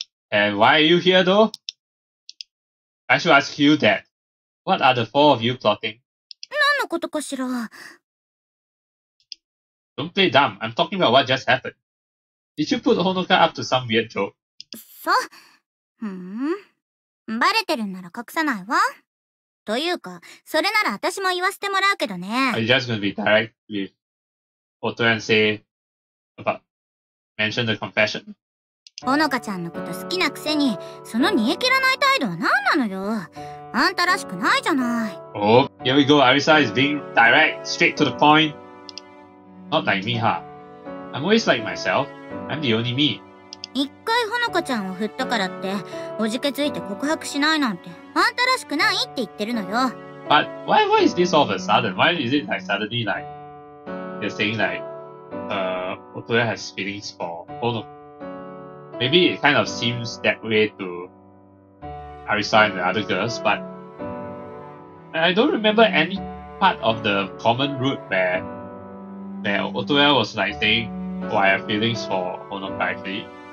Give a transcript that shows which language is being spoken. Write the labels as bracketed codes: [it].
[en] And why are you here though? I should ask you that. What are the four of you plotting? [ja] 何のことかしら? [en] Don't play dumb. I'm talking about what just happened. Did you put Honoka up to some weird joke? [ja] そう。バレてるんなら隠さないわ。というか、それなら私も言わせてもらうけどね。 [en] Are you just gonna be direct with Oto and say about mention the confession? [ja] ほのかちゃんのこと好きなくせに、その煮え切らない態度は何なのよ。あんたらしくないじゃない。 [en] Oh, here we go. Arisa is being direct, straight to the point. Not like me, huh? I'm always like myself. I'm the only me. [ja] 一回ほのかちゃんを振ったからっておじけついて告白しないなんてあんたらしくないって言ってるのよ。 [en] But why is this all of a sudden? Why is it like suddenly like you're saying like Otoya has feelings for Honoka? Maybe it kind of seems that way to Arisa and the other girls, but I don't remember any part of the common route where Otoya was like saying, oh, I have feelings for Honoka actually.